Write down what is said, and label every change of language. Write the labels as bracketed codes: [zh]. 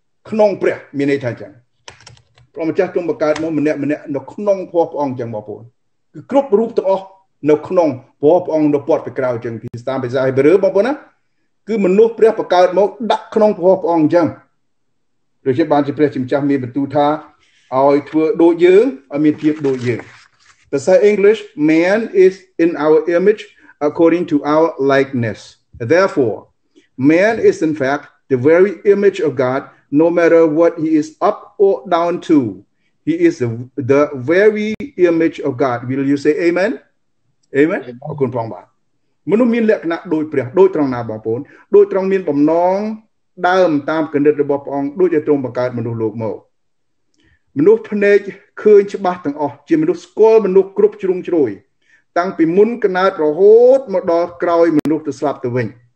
[km] ក្នុងព្រះមានន័យថាចឹងព្រះម្ចាស់ទ្រង់បង្កើតមកម្នាក់នៅក្នុងព្រះអង្គចឹងបងប្អូនគឺគ្រប់រូបទាំងអស់នៅក្នុងព្រះអង្គនៅព័ទ្ធពីក្រៅចឹងពីតាមភាសាហេប្រឺបងប្អូនណាគឺមនុស្សព្រះបង្កើតមកដាក់ក្នុងព្រះអង្គចឹងដូចជាបានជាព្រះជាម្ចាស់មានបន្ទូលថាឲ្យធ្វើដូចយើងឲ្យមានភាពដូចយើង [en] The say English, man is in our image according to our likeness. Therefore, man is in fact the very image of God, no matter what he is up or down to. He is the very image of God. Will you say amen? Amen? [km] អរគុណផងបាទ។មនុស្សមានលក្ខណៈដូចព្រះដូចត្រង់ណាបងប្អូនដូចត្រង់មានបំណងដើមតាមគណិតរបស់ព្រះអង្គដូចជាទ្រង់បង្កើតមនុស្សលោកមក។មនុស្សភ្នែកឃើញច្បាស់ទាំងអស់ជាមនុស្សស្គាល់មនុស្សគ្រប់ជ្រុងជ្រោយតាំងពីមុនកំណើតរហូតមកដល់ក្រោយមនុស្សទៅស្លាប់ទៅវិញ